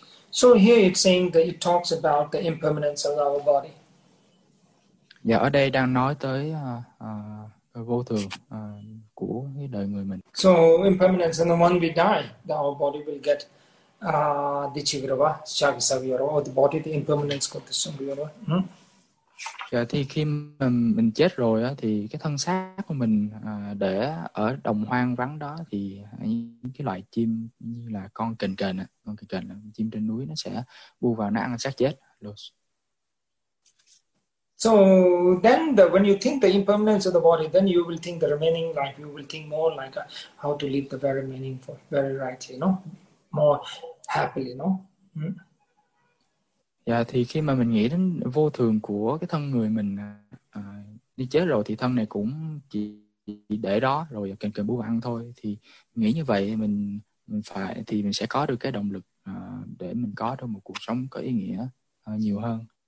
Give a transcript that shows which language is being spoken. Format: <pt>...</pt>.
<en>So here it's saying that it talks about the impermanence of our body.</en> <vi>Dạ, ở đây đang nói tới vô thường của cái đời người mình.</vi> <en>So impermanence, and the one we die, that our body will get the chigrava, chagisavira, or the body, the impermanence got the sumbira.</en> <vi>Dạ, thì khi mình chết rồi á, thì cái thân xác của mình để ở đồng hoang vắng đó, thì cái loại chim như là con kền kền á, con kền kền là chim trên núi, nó sẽ bu vào nó ăn xác chết.</vi> <en>So then when you think the impermanence of the body, then you will think the remaining life, you will think more like how to live the very meaningful, very rightly, you know, more happily, you know.</en> <vi>Dạ, thì khi mà mình nghĩ đến vô thường của cái thân người mình đi chết rồi, thì thân này cũng chỉ để đó rồi cần cần bú ăn thôi, thì nghĩ như vậy mình sẽ có được cái động lực để mình có được một cuộc sống có ý nghĩa nhiều hơn.</vi>